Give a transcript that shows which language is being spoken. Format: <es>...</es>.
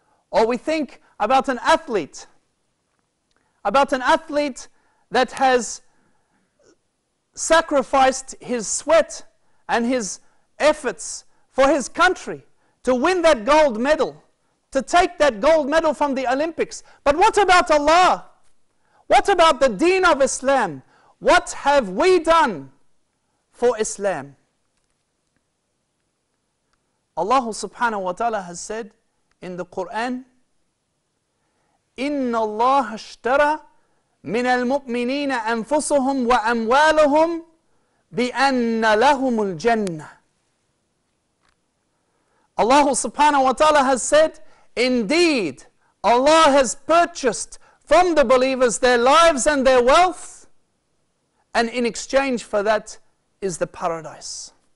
<en>Or we think about an athlete that has sacrificed his sweat and his efforts for his country to win that gold medal, to take that gold medal from the Olympics. But what about Allah? What about the Deen of Islam? What have we done for Islam? Allah subhanahu wa ta'ala has said in the Quran,</en> <ar>إِنَّ اللَّهَ اشْتَرَى مِنَ الْمُؤْمِنِينَ أَنفُسُهُمْ وَأَمْوَالُهُمْ بِأَنَّ لَهُمُ الْجَنَّةِ.</ar> <en>Allah subhanahu wa ta'ala has said, indeed, Allah has purchased from the believers their lives and their wealth, and in exchange for that is the paradise.</en>